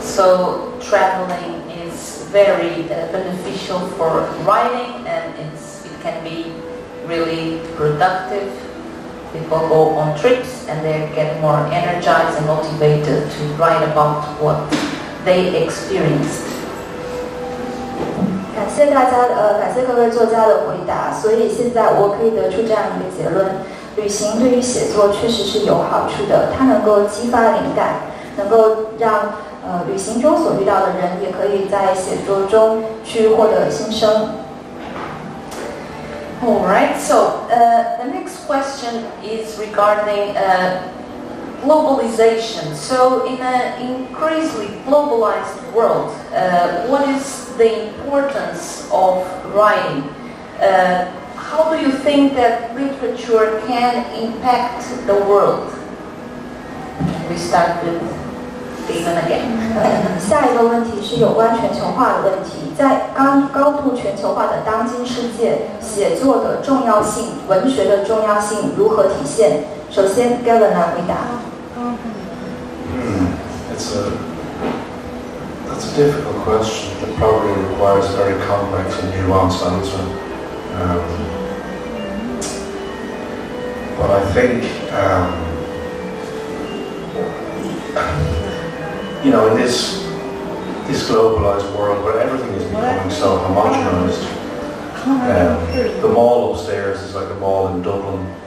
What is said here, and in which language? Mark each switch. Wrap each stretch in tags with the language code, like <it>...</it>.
<en>So traveling is very beneficial for writing, and it can be really productive. People go on trips and they get more energized and motivated to write about what they experienced.</en> <zh>感谢各位作家的回答，所以现在我可以得出这样一个结论，旅行对于写作确实是有好处的，它能够激发灵感，能够让旅行中所遇到的人也可以在写作中去获得新生。</zh> <en>Alright, so the next question is regarding globalization. So in an increasingly globalized world, what is the importance of writing? How do you think that literature can impact the world? We start with Stephen again.</en> <zh>下一个问题是有关全球化的问题。在高度全球化的当今世界，写作的重要性，文学的重要性如何体现？首先 ，Gavin 来回答。</zh> <en>That's a difficult question that probably requires a very complex and nuanced answer. But I think, you know, in this globalized world where everything is becoming so homogenized, the mall upstairs is like a mall in Dublin.</en>